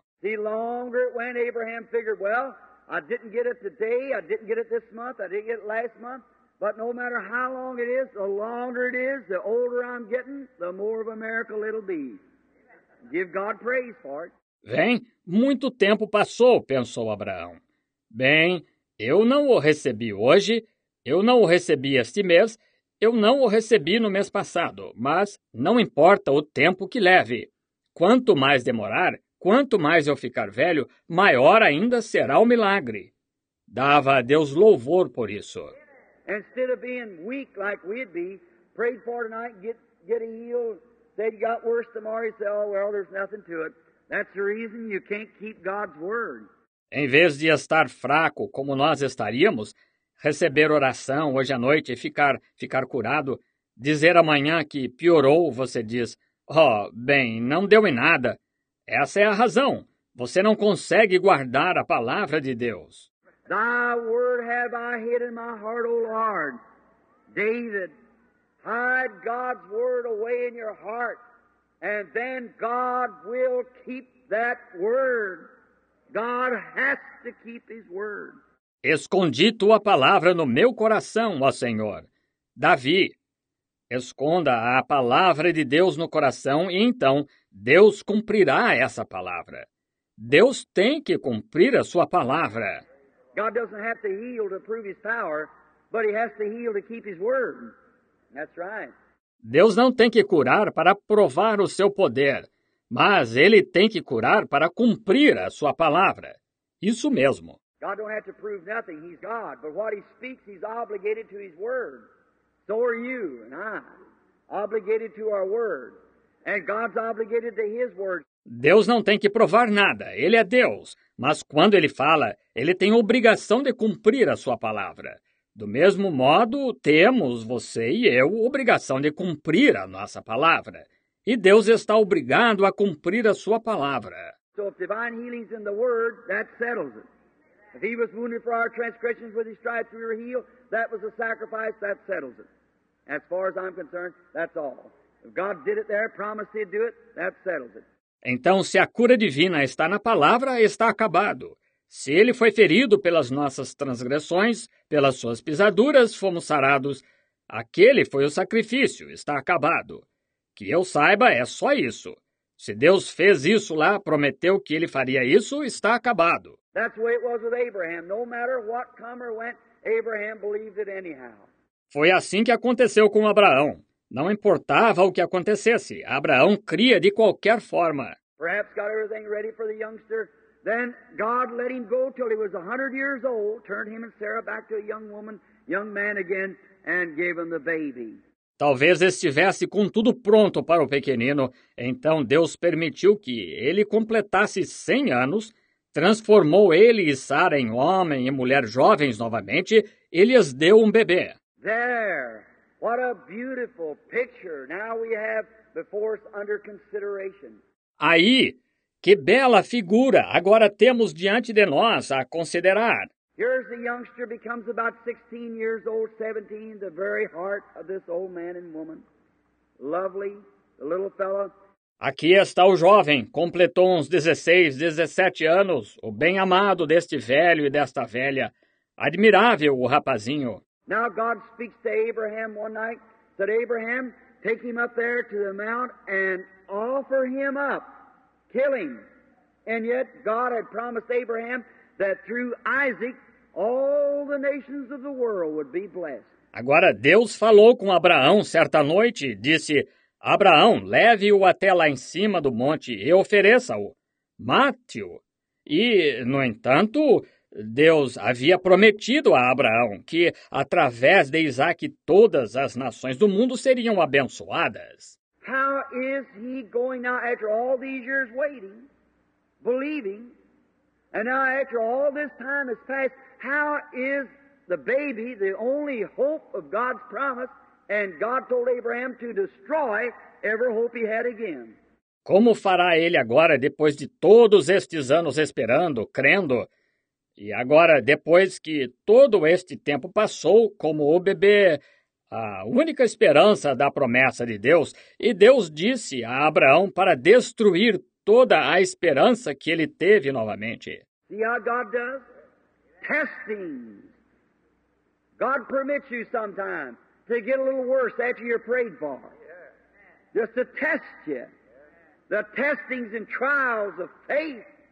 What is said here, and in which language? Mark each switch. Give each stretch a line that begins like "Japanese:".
English: The longer it went, Abraham figured, well, I didn't get it today, I didn't get it this month, I didn't get it last month, but no matter how long it is, the longer it is, the older I'm getting, the more of a miracle it'll be. Give God praise for it.
Portuguese: Bem, muito tempo passou, pensou Abraão. Bem, eu não o recebi hoje, eu não o recebi este mês, eu não o recebi no mês passado, mas não importa o tempo que leve. Quanto mais demorar, quanto mais eu ficar velho, maior ainda será o milagre. Dava a Deus louvor por isso.
English: Instead of being weak like we'd be, prayed for tonight, get healed, said you got worse tomorrow, you say, oh, well, there's nothing to it. That's the reason you can't keep God's word.
Portuguese: Em vez de estar fraco como nós estaríamos, receber oração hoje à noite e ficar curado, dizer amanhã que piorou, você diz, oh, bem, não deu em nada. Essa é a razão. Você não consegue guardar a palavra de Deus.
English: Thy word have I hid in my heart, O Lord. David, hide God's word away in your heart. And then God will keep that word. God has to keep his word.
Portuguese: Escondi tua palavra no meu coração, ó Senhor. Davi, esconda a palavra de Deus no coração e então Deus cumprirá essa palavra. Deus tem que cumprir a sua palavra.
English: God doesn't have to heal to prove his power, but he has to heal to keep his word. That's right.
Portuguese: Deus não tem que curar para provar o seu poder, mas ele tem que curar para cumprir a sua palavra. Isso mesmo.
English: God don't have to prove nothing. He's God. But what he speaks, he's obligated to his word. So are you and I, obligated to our word. And God's obligated to his word.
Portuguese: Deus não tem que provar nada. Ele é Deus. Mas quando ele fala, ele tem obrigação de cumprir a sua palavra. Do mesmo modo, temos, você e eu, obrigação de cumprir a nossa palavra. E Deus está obrigado a cumprir a sua palavra.
English: So if divine healing's in the word, that settles it. If he was wounded for our transgressions, with his stripes we were healed, that was a sacrifice, that settles it. As far as I'm concerned, that's all. If God did it there, promised he'd do it, that settles it.
Portuguese: Então, se a cura divina está na palavra, está acabado. Se ele foi ferido pelas nossas transgressões, pelas suas pisaduras, fomos sarados. Aquele foi o sacrifício, está acabado. Que eu saiba, é só isso. Se Deus fez isso lá, prometeu que ele faria isso, está acabado.
English: That's the way it was with Abraham. No matter what come or went, Abraham believed it anyhow.
Portuguese: Foi assim que aconteceu com Abraão. Não importava o que acontecesse, Abraão cria de qualquer forma.
English: Perhaps got everything ready for the youngster. Then God let him go till he was 100 years old, turned him and Sarah back to a young woman, young man again, and gave him the baby.
Portuguese: Talvez estivesse com tudo pronto para o pequenino, então Deus permitiu que ele completasse 100 anos, transformou ele e Sara em homem e mulher jovens novamente, e lhes deu um bebê.
English: There! What a beautiful picture now we have before us under consideration.
Portuguese: Aí, que bela figura agora temos diante de nós a considerar.
English: Here's the youngster becomes about 16 years old, 17, the very heart of this old man and woman. Lovely, the little fellow.
Portuguese: Aqui está o jovem, completou uns 16, 17 anos, o bem-amado deste velho e desta velha. Admirável o rapazinho.
English: Now God speaks to Abraham one night, said, Abraham, take him up there to the mount and offer him up, kill him. And yet God had promised Abraham that through Isaac, all the nations of the world would be blessed.
Portuguese: Agora Deus falou com Abraão certa noite e disse, Abraão, leve-o até lá em cima do monte e ofereça-o, mate-o. E, no entanto, Deus havia prometido a Abraão que, através de Isaac, todas as nações do mundo seriam abençoadas.
English: How is he going now, after all these years waiting, believing, and now after all this time has passed, how is the baby, the only hope of God's promise, and God told Abraham to destroy every hope he had again?
Portuguese: Como fará ele agora, depois de todos estes anos esperando, crendo? E agora, depois que todo este tempo passou, como o bebê, a única esperança da promessa de Deus, e Deus disse a Abraão para destruir toda a esperança que ele teve novamente.
English: See how God does? Testing. God permits you sometimes to get a little worse after you're prayed for. Just to test you. The testings and trials of faith.